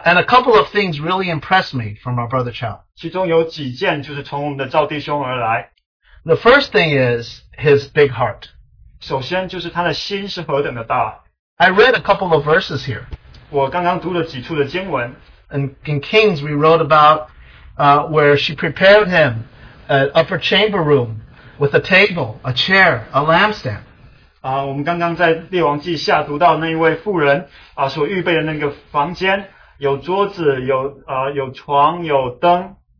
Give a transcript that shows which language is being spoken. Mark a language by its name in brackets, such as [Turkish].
[English] And a couple of things really impressed me from our brother Chow. [Chinese] 其中有几件就是从我们的赵弟兄而来。 [English] The first thing is his big heart. [Chinese] 首先就是他的心是何等的大。 [English] I read a couple of verses here. [Chinese] 我刚刚读了几处的经文。 [English] And in Kings, we wrote about where she prepared him an upper chamber room with a table, a chair, a lampstand. [Chinese] 我们刚刚在《列王记下》读到那一位妇人所预备的那个房间，有桌子，有床，有灯。